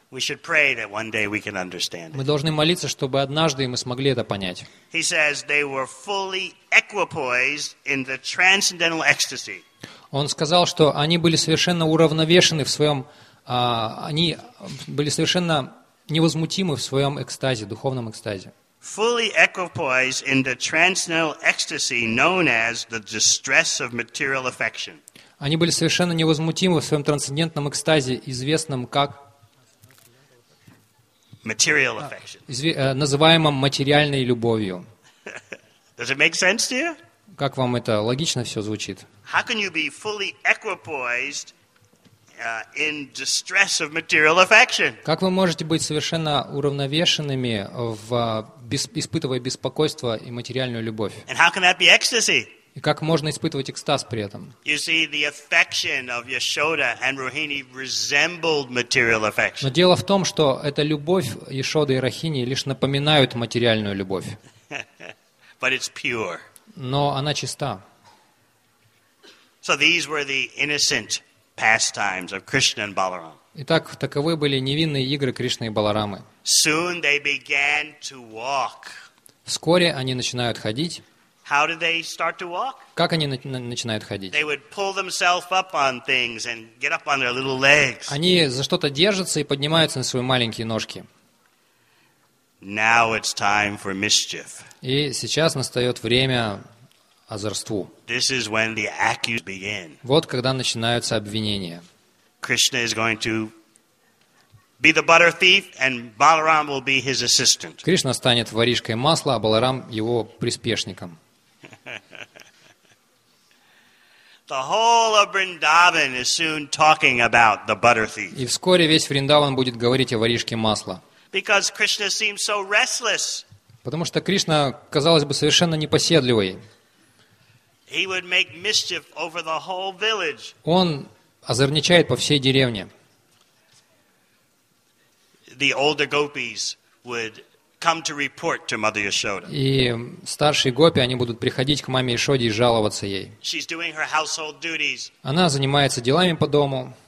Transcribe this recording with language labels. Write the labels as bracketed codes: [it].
[en] We should pray that one day we can understand it. [ru] Мы должны молиться, чтобы однажды мы смогли это понять. [en] He says they were fully equipoised in the transcendental ecstasy. [ru] Он сказал, что они были совершенно уравновешены в своем, они были совершенно невозмутимы в своем экстазе, духовном экстазе. [en] Fully equipoised in the transcendental ecstasy known as the distress of material affection. [ru] Они были совершенно невозмутимы в своем трансцендентном экстазе, известном как [en] material affection, [ru] называемом материальной любовью. [en] Does it make sense to you? [ru] Как вам это логично все звучит? [en] How can you be fully equipoised in distress of material affection? [ru] Как вы можете быть совершенно уравновешенными в испытывая беспокойство и материальную любовь? [en] And how can that be ecstasy? [ru] И как можно испытывать экстаз при этом? [en] You see, the affection of Yashoda and Rohini resembled material affection. [ru] Но дело в том, что эта любовь Яшоды и Рахини лишь напоминают материальную любовь. [en] But it's pure. [ru] Но она чиста. [en] So these were the innocent pastimes of Krishna and Balaram. [ru] Итак, таковы были невинные игры Кришны и Баларамы. [en] Soon they began to walk. [ru] Вскоре они начинают ходить. [en] How did they start to walk? [ru] Как они начинают ходить? [en] They would pull themselves up on things and get up on their little legs. [ru] Они за что-то держатся и поднимаются на свои маленькие ножки. [en] Now it's time for mischief. [ru] И сейчас настает время озорству. [en] This is when the accuse begin. [ru] Вот когда начинаются обвинения. [en] Krishna is going to be the butter thief, and Balaram will be his assistant. [ru] Кришна станет воришкой масла, а Баларам его приспешником. [en] The whole of Vrindavan is soon talking about the butter thief. [ru] И вскоре весь Вриндаван будет говорить о воришке масла. [en] Because Krishna seems so restless. [ru] Потому что Кришна казалось бы совершенно непоседливой. [en] He would make mischief over the whole village. [ru] Он озорничает по всей деревне. [en] The older gopis would come to report to Mother Yashoda. [ru] И старшие гопи, они будут приходить к маме Яшоде и жаловаться ей. [en] She's doing her household duties. [ru] Она занимается делами по дому.